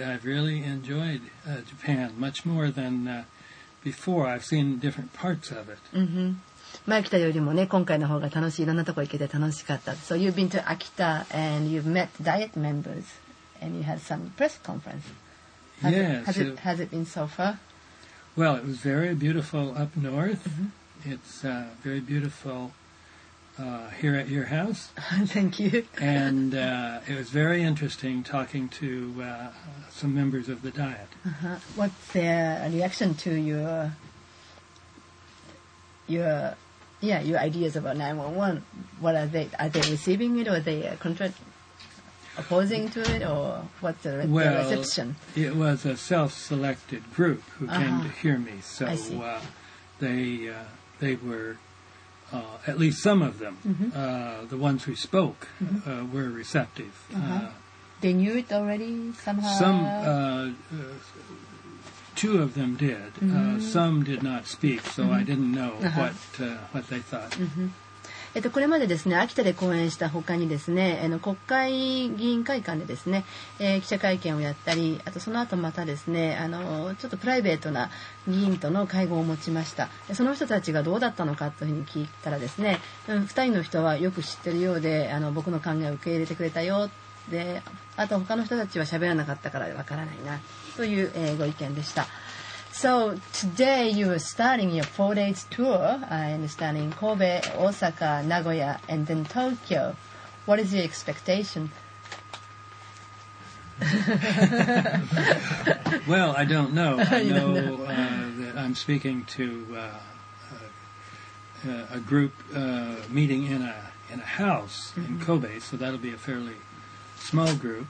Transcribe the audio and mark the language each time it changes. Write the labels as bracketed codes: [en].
[en] I've really enjoyed Japan much more than before. I've seen different parts of it. Mm-hmm. [ja] 前来たよりもね、今回の方が楽しい。いろんなとこ行けて楽しかった。 [en] So you've been to Akita and you've met diet members and you had some press conference. Has it been so far? Well, it was very beautiful up north. Mm-hmm. It's very beautiful here at your house. Thank you. And it was very interesting talking to some members of the diet. Uh-huh. What's their reaction to your ideas about 911? What are they? Are they receiving it, or are they opposing to it, or what's the reception? Well, it was a self-selected group who came to hear me, so they were. At least some of them, the ones who spoke, were receptive. They knew it already somehow? Two of them did. Mm-hmm. Some did not speak, so I didn't know what they thought. [ja] これまでですね、秋田で講演した他にですね、国会議員会館でですね、記者会見をやったり、あとその後またですね、ちょっとプライベートな議員との会合を持ちました。その人たちがどうだったのかというふうに聞いたらですね、2人の人はよく知ってるようで、僕の考えを受け入れてくれたよ、で、あと他の人たちは喋らなかったからわからないなという、ご意見でした。 [en] So today you are starting your 4 days tour. I understand in Kobe, Osaka, Nagoya, and then Tokyo. What is your expectation? Well, I don't know. I know that I'm speaking to a group meeting in a house in Kobe, so that'll be a fairly small group.